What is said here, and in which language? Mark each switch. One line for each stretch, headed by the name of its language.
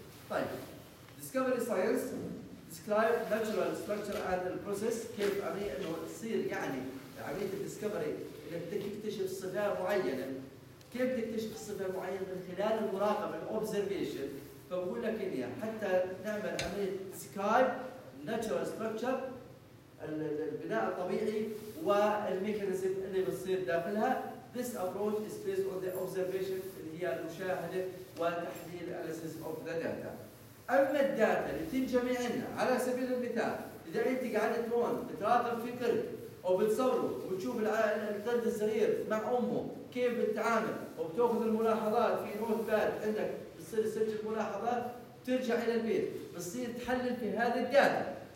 Arabic: طيب
English: Discovery Science describe natural structure and process
Arabic: كيف عملية إنه تصير يعني عملية Discovery إنك تكتشف صفة معينة كيف تكتشف صفة معينة من خلال المراقبة observation فبقول لك إني حتى نعمل عملية
English: describe natural structure
Arabic: البناء الطبيعي والميكانيزم اللي بتصير داخلها.
English: This approach is based on the observation
Arabic: اللي هي المشاهدة وتحليل
English: analysis of the data.
Arabic: أما الداتا اللي بتنجمي عنا على سبيل المثال إذا أنت قعدت هون بتراقب في قرد وبتصوره وبتشوف القرد الصغير مع أمه كيف بتتعامل وبتأخذ الملاحظات في نوت باد عندك تصير تسجل ملاحظات ترجع الى البيت بتصير تحلل في هذه الداتا.